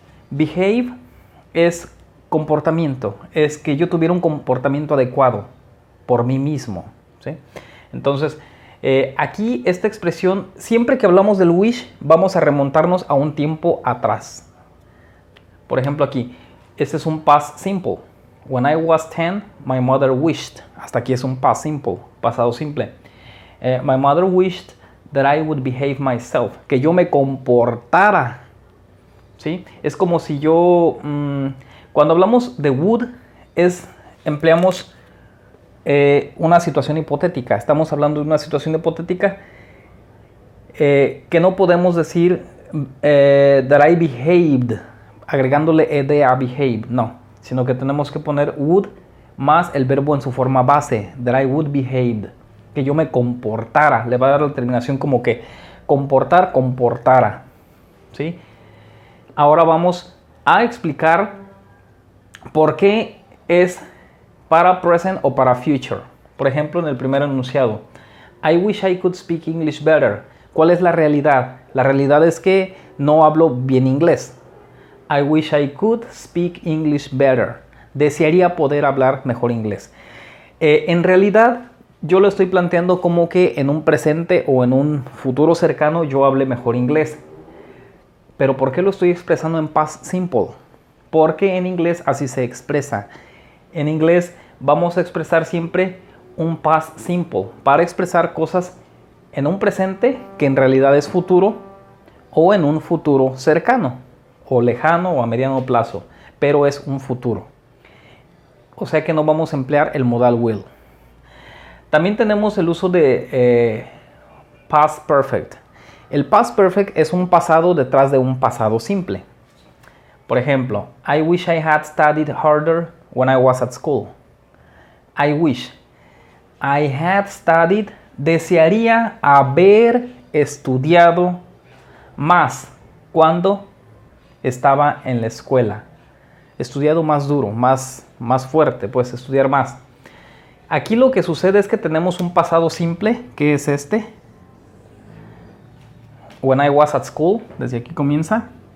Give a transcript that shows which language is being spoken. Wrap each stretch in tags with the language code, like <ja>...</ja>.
<es>Behave es comportamiento, es que yo tuviera un comportamiento adecuado por mí mismo. ¿Sí? Entonces, aquí esta expresión, siempre que hablamos del wish, vamos a remontarnos a un tiempo atrás. Por ejemplo aquí, este es un past simple.</es> <en>When I was 10, my mother wished.</en> <es>Hasta aquí es un past simple, pasado simple.</es> <en>My mother wished that I would behave myself.</en> <es>Que yo me comportara. ¿Sí? Es como si yo... cuando hablamos de would, empleamos una situación hipotética. Estamos hablando de una situación hipotética que no podemos decir</es> <en>that I behaved,</en> <es>agregándole ed a behave, no. Sino que tenemos que poner would más el verbo en su forma base,</es> <en>that I would behaved,</en> <es>que yo me comportara. Le va a dar la terminación como que comportara. ¿Sí? Ahora vamos a explicar por qué es para present o para future. Por ejemplo, en el primer enunciado.</es> <en>I wish I could speak English better.</en> <es>¿Cuál es la realidad? La realidad es que no hablo bien inglés.</es> <en>I wish I could speak English better.</en> <es>Desearía poder hablar mejor inglés. En realidad, yo lo estoy planteando como que en un presente o en un futuro cercano yo hable mejor inglés. ¿Pero por qué lo estoy expresando en past simple? Porque en inglés así se expresa. En inglés vamos a expresar siempre un past simple para expresar cosas en un presente que en realidad es futuro o en un futuro cercano o lejano o a mediano plazo, pero es un futuro. O sea que no vamos a emplear el modal will. También tenemos el uso de past perfect. El past perfect es un pasado detrás de un pasado simple. Por ejemplo,</es> <en>I wish I had studied harder when I was at school. I wish. I had studied.</en> <es>Desearía haber estudiado más cuando estaba en la escuela. Estudiado más duro, más fuerte, pues estudiar más. Aquí lo que sucede es que tenemos un pasado simple, que es este.</es> <en>When I was at school,</en> <es>desde aquí comienza.</es>